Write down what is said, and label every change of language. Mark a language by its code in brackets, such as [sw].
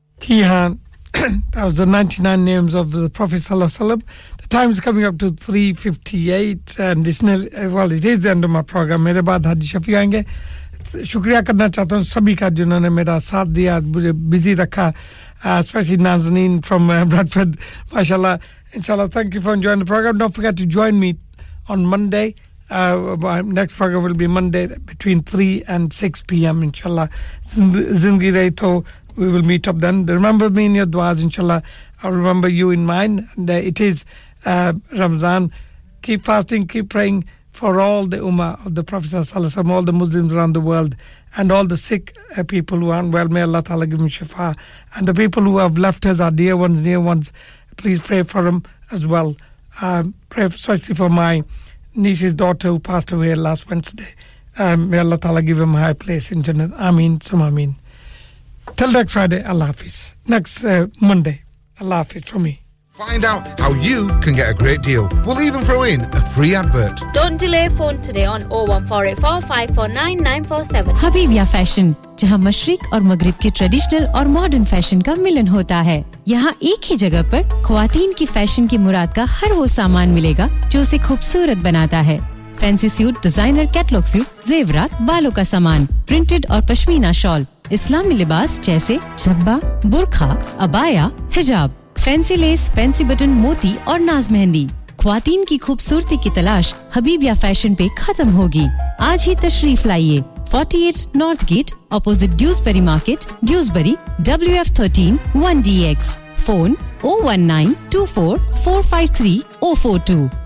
[en] Yeah, that was the 99 names of the Prophet Sallallahu Alaihi Wasallam. The time is coming up to 3:58, and it's nearly, well, it is the end of my program. [hi] मेरे बाद हाजी शफी आएंगे. शुक्रिया करना चाहता हूँ सभी का जिन्होंने मेरा साथ दिया, मुझे busy रखा, [en] especially Nazneen from Bradford. MashaAllah, inshallah. Thank you for joining the program. Don't forget to join me on Monday. My next program will be Monday between 3 and 6 p.m. [hi] Inshallah, zindagi rahe to. [en] We will meet up then. Remember me in your du'as, inshallah. I'll remember you in mine. And it is Ramadan. Keep fasting, keep praying for all the ummah of the Prophet sallallahu alaihi wasallam, all the Muslims around the world, and all the sick people who aren't well. May Allah ta'ala give them shifa. And the people who have left us, our dear ones, near ones, please pray for them as well. Pray especially for my niece's daughter who passed away last Wednesday. May Allah ta'ala give him a high place in Jannah. Ameen, sum ameen. Till next Friday, Allah Hafiz. Next Monday, Allah Hafiz for me. Find out how you can get a great deal. We'll even throw in a free advert. Don't delay, phone today on 01484549947. [hi] Habibia Fashion, जहां मशरिक और मगरिब के traditional और modern fashion का मिलन होता है यहां एक ही जगह पर ख्वातीन की फैशन की मुराद का हर वो सामान मिलेगा जो उसे खूबसूरत बनाता है fancy suit designer catalogue suit जेवरात बालों का सामान प्रिंटेड और पश्मीना शॉल इस्लामी लिबास जैसे जब्बा बुरखा अबाया हिजाब फैंसी लेस फैंसी बटन मोती और नाज मेहंदी ख्वातीन की खूबसूरती की तलाश हबीबिया फैशन पे खत्म होगी आज ही तशरीफ लाइए 48 north gate opposite Dewsbury market Dewsbury WF13 1DX phone 01924453042